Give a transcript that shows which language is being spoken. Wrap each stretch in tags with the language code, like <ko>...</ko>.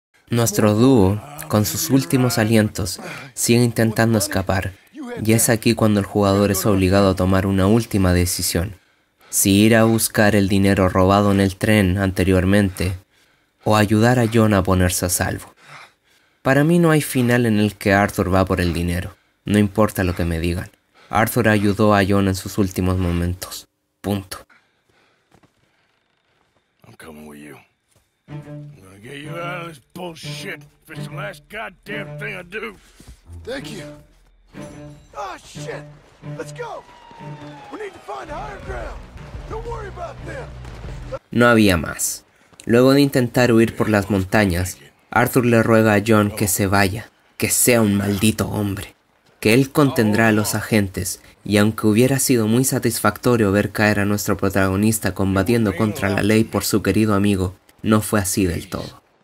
<es>Nuestro dúo, con sus últimos alientos, sigue intentando escapar, y es aquí cuando el jugador es obligado a tomar una última decisión: si ir a buscar el dinero robado en el tren anteriormente, o ayudar a John a ponerse a salvo. Para mí no hay final en el que Arthur va por el dinero, no importa lo que me digan. Arthur ayudó a John en sus últimos momentos. Punto.</es> <en>I'm coming with you. I'm gonna get you out of this bullshit. If it's the last goddamn thing I do. Thank you. Oh shit! Let's go! We need to find higher ground! Don't worry about them!</en> <es>No había más. Luego de intentar huir por las montañas, Arthur le ruega a John que se vaya, que sea un maldito hombre, que él contendrá a los agentes, y aunque hubiera sido muy satisfactorio ver caer a nuestro protagonista combatiendo contra la ley por su querido amigo, no fue así del todo.</es>